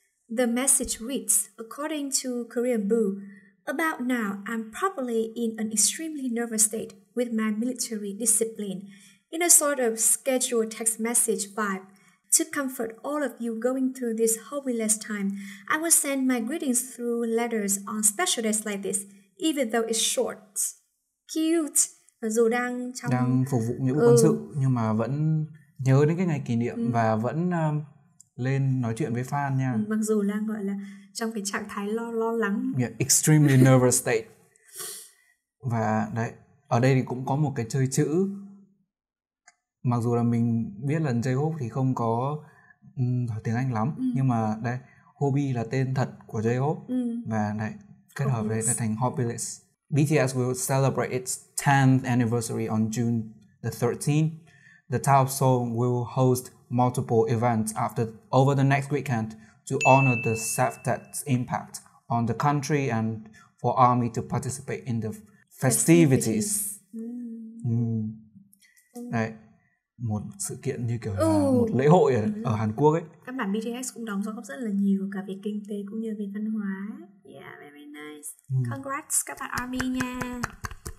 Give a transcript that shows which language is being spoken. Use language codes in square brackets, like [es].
[en] The message reads, according to Korean Boo, about now, I'm probably in an extremely nervous state with my military discipline, in a sort of scheduled text message vibe. To comfort all of you going through this hopeless time, I will send my greetings through letters on special days like this, even though it's short. Cute. [vi] Dù đang trong... đang phục vụ nghĩa vụ quân sự, nhưng mà vẫn nhớ đến cái ngày kỷ niệm và vẫn lên nói chuyện với fan nha. Mặc dù đang gọi là trong cái trạng thái lo lắng. [en] Yeah, extremely nervous state. [vi] Và đấy, ở đây thì cũng có một cái chơi chữ. Mặc dù là mình biết là J-Hope thì không có tiếng Anh lắm, nhưng mà đây, Hobi là tên thật của J-Hope. Và đấy, kết hợp với đây thành Hopeless. [en] BTS will celebrate its 10th anniversary on June the 13th. The Tower of Seoul will host multiple events over the next weekend to honor the SAFTET's impact on the country and for ARMY to participate in the festivities. [vi] Đấy, một sự kiện như kiểu là một lễ hội ở Hàn Quốc ấy. Các bạn BTS cũng đóng góp rất là nhiều cả về kinh tế cũng như về văn hóa. [en] Yeah, very nice. Congrats [vi] các bạn ARMY nha.